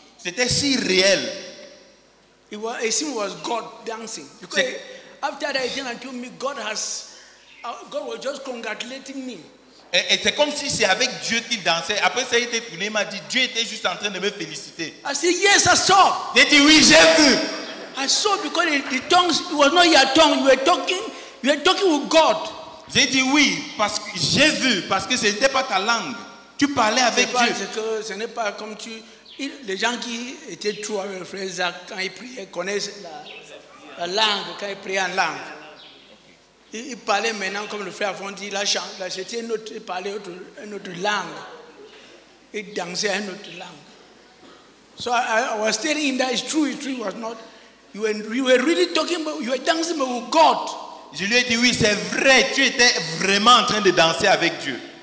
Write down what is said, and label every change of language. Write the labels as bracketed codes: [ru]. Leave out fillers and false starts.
[fr] C'était si réel. [en] It was God dancing. Because after that, he came to me. God was just congratulating me. [fr] Et c'est comme si c'est avec Dieu qu'il dansait. Après ça, il était tourné, il m'a dit, Dieu était juste en train de me féliciter. [en] I said, yes, I saw. [fr] J'ai dit, oui, j'ai vu. [en] I saw because the tongues, it was not your tongue. You were talking with God. [fr] J'ai dit, oui, parce que j'ai vu, parce que ce n'était pas ta langue. Tu parlais avec pas, Dieu. C'est que ce n'est pas comme tu... Les gens qui étaient tous avec le frère Zach, quand ils priaient, connaissent la langue, quand ils priaient en langue. Il parlait maintenant comme le frère Fondi, il parlait une autre langue. Il dansait une autre langue. [en] So I was telling him that it's true, it was not. You were really talking, but you were dancing with God. [fr] Je lui ai dit, oui, c'est vrai, tu étais vraiment en train de danser avec Dieu.